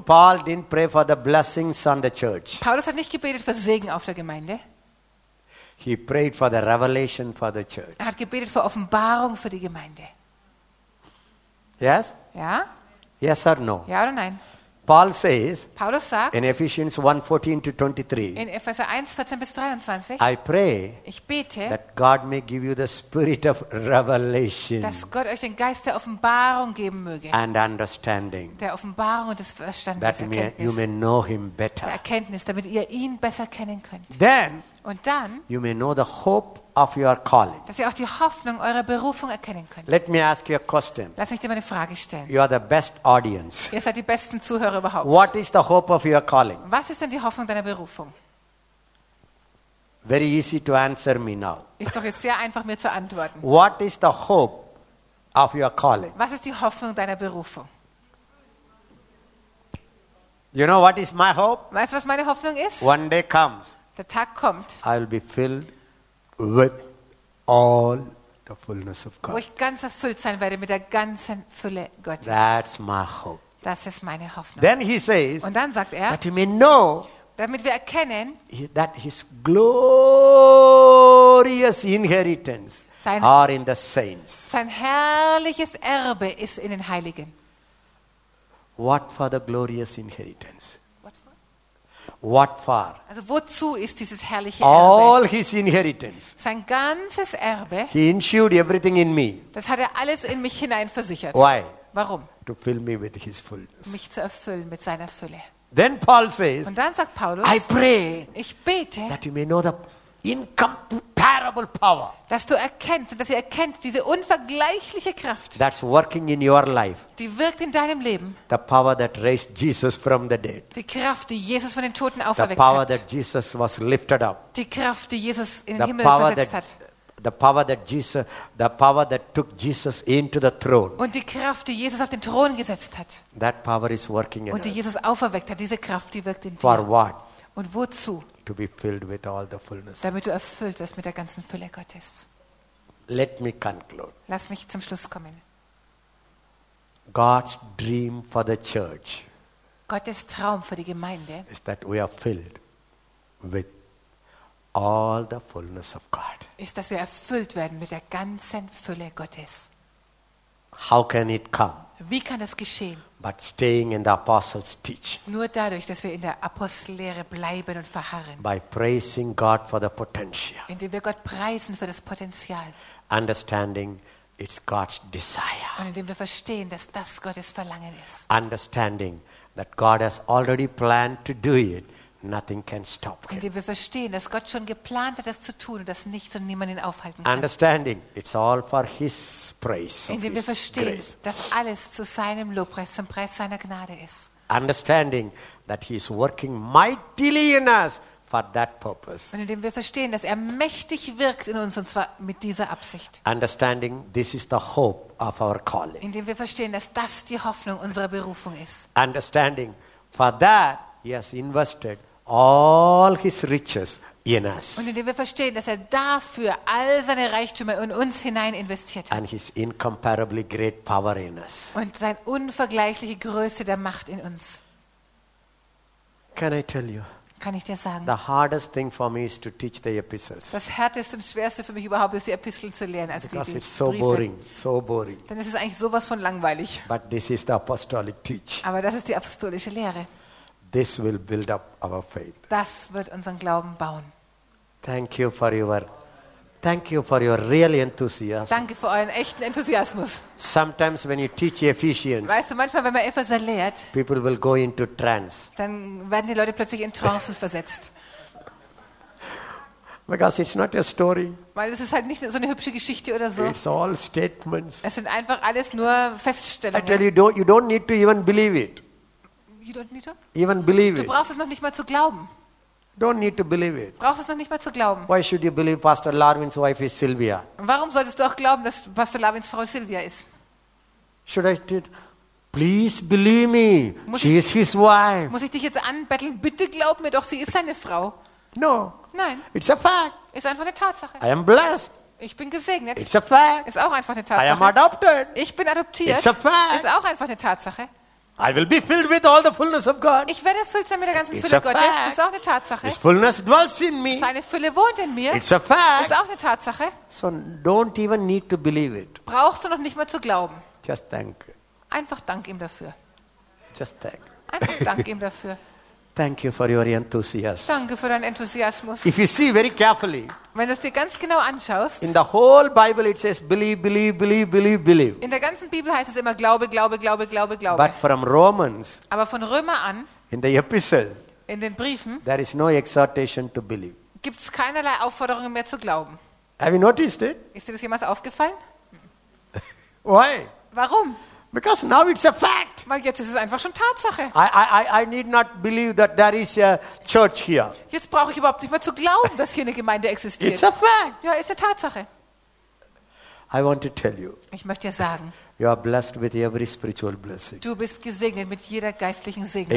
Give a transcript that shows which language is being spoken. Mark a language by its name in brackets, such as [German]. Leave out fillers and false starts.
[English] Paul didn't pray for the blessings on the church. [German] Paulus hat nicht gebetet für Segen auf der Gemeinde. [English] He prayed for the revelation for the church. [German] Er hat gebetet für Offenbarung für die Gemeinde. [English] Yes? [German] Ja? [English] Yes or no? [German] Ja oder nein? [English] Paul says, [German] Paulus sagt [English] in Ephesians 1:14-23. [German] In Epheser 1:14-23. [English] I pray. [German] Ich bete. [English] That God may give you the spirit of revelation. [German] Dass Gott euch den Geist der Offenbarung geben möge. [English] And understanding. [German] Der Offenbarung und des Verstandes. [English] That you may know him better. [German] Der Erkenntnis, damit ihr ihn besser kennen könnt. [English] Then. [German] Und dann. [English] You may know the hope of your calling. [German] Dass ihr auch die Hoffnung eurer Berufung erkennen könnt. [English] Let me ask you a question. [German] Lass mich dir mal eine Frage stellen. [English] You are the best audience. [German] Ihr seid die besten Zuhörer überhaupt. [English] What is the hope of your calling? [German] Was ist denn die Hoffnung deiner Berufung? [English] Very easy to answer me now. [German] Ist doch jetzt sehr einfach mir zu antworten. [English] What is the hope of your calling? [German] Was ist die Hoffnung deiner Berufung? [English] You know what is my hope? [German] Weißt du, was meine Hoffnung ist? [English] One day comes. [German] Der Tag kommt. [English] I will be filled with all the fullness of God. [German] Wo ich ganz erfüllt sein werde mit der ganzen Fülle Gottes. [English] That's my hope. [German] Das ist meine Hoffnung. [English] Then he says, [German] und dann sagt er, [English] that you may know, [German] damit wir erkennen, [English] that his glorious inheritance are in the saints. [German] Sein herrliches Erbe ist in den Heiligen. [English] What for the glorious inheritance? What for? [German] Also wozu ist dieses herrliche Erbe? [English] All his inheritance. [German] Sein ganzes Erbe. [English] He insured everything in me. [German] Das hat er alles in mich hinein versichert. [English] Why? [German] Warum? [English] To fill me with his fullness. [German] Mich zu erfüllen mit seiner Fülle. [English] Then Paul says. [German] Und dann sagt Paulus. [English] I pray. [German] Ich bete. [English] That you may know the incomparable power. [German] Dass du erkennst, dass ihr erkennt diese unvergleichliche Kraft. [English] That's working in your life. [German] Die wirkt in deinem Leben. [English] The power that raised Jesus from the dead. [German] Die Kraft, die Jesus von den Toten auferweckt hat. [English] The power that Jesus was lifted up. [German] Die Kraft, die Jesus in den Himmel versetzt hat. [English] The power that took Jesus into the throne. [German] Und die Kraft, die Jesus auf den Thron gesetzt hat. [English] That power is working in us. [German] Und die Jesus auferweckt hat, diese Kraft, die wirkt in dir. [English] For what? [German] Und wozu? [English] To be filled with all the fullness. [German] Damit du erfüllt wirst mit der ganzen Fülle Gottes. [English] Let me conclude. [German] Lass mich zum Schluss kommen. [English] God's dream for the church. [German] Gottes Traum für die Gemeinde. [English] Is that we are filled with all the fullness of God. [German] Ist, dass wir erfüllt werden mit der ganzen Fülle Gottes. [English] How can it come? [German] Wie kann das geschehen? [English] But staying in the apostles' teaching. [German] Nur dadurch, dass wir in der Apostellehre bleiben und verharren. [English] By praising God for the potential. [German] Indem wir Gott preisen für das Potenzial. [English] Understanding it's God's desire. [German] Und indem wir verstehen, dass das Gottes Verlangen ist. [English] Understanding that God has already planned to do it. Nothing can stop him. [German] Indem wir verstehen, dass Gott schon geplant hat, das zu tun, und dass nichts und niemand ihn aufhalten kann. [English] Understanding, it's all for his praise. [German] Indem wir verstehen, [English] grace. [German] Dass alles zu seinem Lobpreis, zum Preis seiner Gnade ist. [English] Understanding that he is working mightily in us for that purpose. [German] Und indem wir verstehen, dass er mächtig wirkt in uns, und zwar mit dieser Absicht. [English] Understanding this is the hope of our calling. [German] Indem wir verstehen, dass das die Hoffnung unserer Berufung ist. [English] Understanding for that he has invested all his riches in us. [German] Und indem wir verstehen, dass er dafür all seine Reichtümer in uns hinein investiert hat. [English] And his incomparably great power in us. [German] Und seine unvergleichliche Größe der Macht in uns. [English] Can I tell you? [German] Kann ich dir sagen? [English] The hardest thing for me is to teach the epistles. [German] Das härteste und schwerste für mich überhaupt ist, die Episteln zu lernen, also [English] because [German] die Briefe. [English] It's so boring, so boring. [German] Denn es ist eigentlich sowas von langweilig. [English] But this is the apostolic teach. [German] Aber das ist die apostolische Lehre. [English] This will build up our faith. [German] Das wird unseren Glauben bauen. [English] Thank you for your real enthusiasm. [German] Danke für euren echten Enthusiasmus. [English] Sometimes when you teach Ephesians. [German] Weißt du, manchmal wenn man Epheser lehrt, [English] people will go into trance. [German] Dann werden die Leute plötzlich in Trance versetzt. [English] Because it's not a story. [German] Weil es ist halt nicht so eine hübsche Geschichte oder so. [English] It's all statements. [German] Es sind einfach alles nur Feststellungen. [English] I tell you, you don't need to even believe it. You don't need to? Even believe it. [German] Du brauchst es noch nicht mal zu glauben. [English] Don't need to believe it. [German] Brauchst es noch nicht mal zu glauben. [English] Why should you believe Pastor Larwin's wife is Sylvia? [German] Warum solltest du auch glauben, dass Pastor Larwin's Frau Sylvia ist? [English] Should I did? Please believe me. She is his wife. [German] Muss ich dich jetzt anbetteln? Bitte glaub mir doch, sie ist seine Frau. [English] No. [German] Nein. [English] It's a fact. [German] Ist einfach eine Tatsache. [English] I am blessed. [German] Ich bin gesegnet. [English] It's a fact. [German] Ist auch einfach eine Tatsache. [English] I am adopted. [German] Ich bin adoptiert. [English] It's a fact. [German] Ist auch einfach eine Tatsache. [English] I will be filled with all the fullness of God. [German] Ich werde erfüllt sein mit der ganzen Fülle Gottes. Ist auch eine Tatsache. [English] His fullness dwells in me. [German] Seine Fülle wohnt in mir. [English] It's a fact. [German] Ist auch eine Tatsache. [English] So don't even need to believe it. [German] Brauchst du noch nicht mal zu glauben. [English] Just thank. [German] Einfach dank ihm dafür. [English] Just thank. [German] Einfach dank ihm dafür. [English] Thank you for your enthusiasm. [German] Danke für deinen Enthusiasmus. [English] If you see very carefully. [German] Wenn du es dir ganz genau anschaust. [English] In the whole Bible it says believe, believe, believe, believe, believe. [German] In der ganzen Bibel heißt es immer glaube, glaube, glaube, glaube, glaube. [English] But from Romans. [German] Aber von Römer an. [English] In the epistle. [German] In den Briefen. [English] There is no exhortation to believe. [German] Gibt's keinerlei Aufforderungen mehr zu glauben. [English] Have you noticed it? [German] Ist dir das jemals aufgefallen? [English] Why? [German] Warum? [English] Because now it's a fact. [German] Weil jetzt ist es einfach schon Tatsache. [English] I need not believe that there is a church here. [German] Jetzt brauche ich überhaupt nicht mehr zu glauben, dass hier eine Gemeinde existiert. [English] It's a fact. [German] Ja, ist eine Tatsache. [English] I want to tell you. [German] Ich möchte dir sagen. [English] You are blessed with every spiritual blessing. [German] Du bist gesegnet mit jeder geistlichen Segnung.